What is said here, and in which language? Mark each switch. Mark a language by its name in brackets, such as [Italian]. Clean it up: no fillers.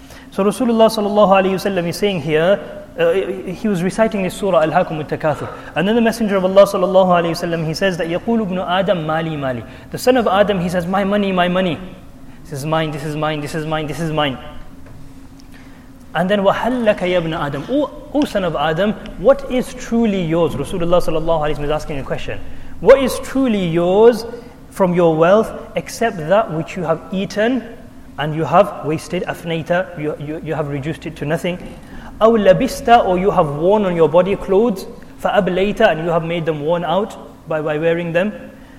[English] So Rasulullah sallallahu alayhi wa sallam is saying here, he was reciting this surah, Al-Hakum al-Takathur. And then the Messenger of Allah sallallahu alayhi wa sallam, he says that, [Arabic] يَقُولُ ابْنُ آدَمْ مَالِي مَالِي. [English] The son of Adam, he says, my money, my money. This is mine, this is mine, this is mine, this is mine. And then, [Arabic] وَحَلَّكَ يَا ابْنُ آدَمْ. [English] O son of Adam, what is truly yours? Rasulullah sallallahu alayhi wa sallam is asking a question. What is truly yours from your wealth except that which you have eaten and you have wasted, afnaita, you have reduced it to nothing. [Arabic] أو لبستا, [English] or you have worn on your body clothes, [Arabic] فأبليتا, [English] and you have made them worn out by wearing them.